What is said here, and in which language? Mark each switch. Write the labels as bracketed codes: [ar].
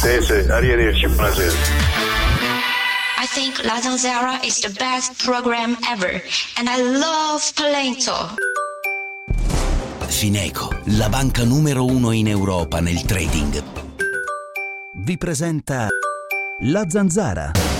[it] Sì, arrivederci, buonasera. [en] I think La Zanzara is the best program ever, and I love Plento. [it] Fineco, la banca numero uno in Europa nel trading. vi presenta La Zanzara.